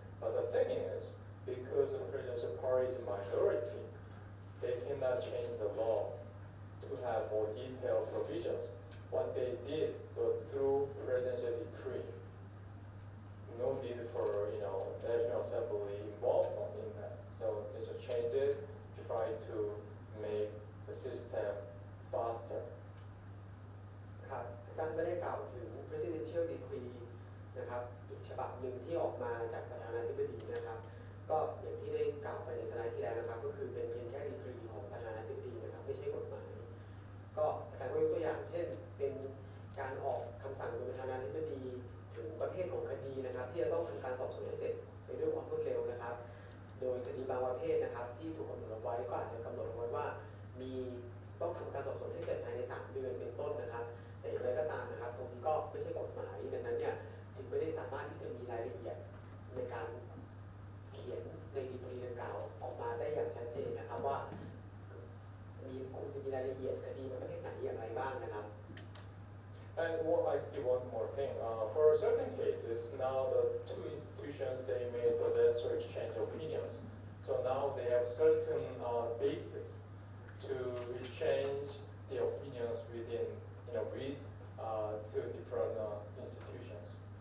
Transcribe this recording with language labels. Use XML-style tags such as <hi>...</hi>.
<en>But the thing is, because the presidential party is a minority, they cannot change the law to have more detailed provisions. What they did was through presidential decree. No need for National Assembly involvement in that. So they just change it, try to make the system faster.</en> <th>ครับ อาจารย์ก็ได้กล่าวถึง Presidential Decree นะครับอีก ฉบับหนึ่งที่ออกมาจากประธานาธิบดีนะครับก็อย่างที่ได้กล่าวไปในสไลด์ที่แล้วนะครับก็คือเป็นเพียงแค่ดีกรีของประธานาธิบดีนะครับไม่ใช่กฎหมายก็อาจารย์ก็ยกตัวอย่างเช่นเป็นการออกคำสั่งโดยประธานาธิบดีถึงประเภทของคดีนะครับที่จะต้องทำการสอบสวนให้เสร็จไปด้วยความรวดเร็วนะครับโดยคดีบางประเภทนะครับที่ถูกกำหนดไว้ก็อาจจะกำหนดไว้ว่ามี ต้องทำการสอบสวนให้เสร็จภายใน3เดือนเป็นต้นนะครับแต่อะไรก็ตามนะครับตรงนี้ก็ไม่ใช่กฎหมายดังนั้นเนี่ยจึงไม่ได้สามารถที่จะมีรายละเอียดในการเขียนในดีกรีดังกล่าวออกมาได้อย่างชัดเจนนะครับว่ามีรายละเอียดคดีประเภทไหนอย่างไรบ้างนะครับ</th> <en>And what I see one more thing. For certain cases, now the two institutions they may suggest to exchange opinions. So now they have certain basis to exchange the opinions within, you know, with two different institutions.</en>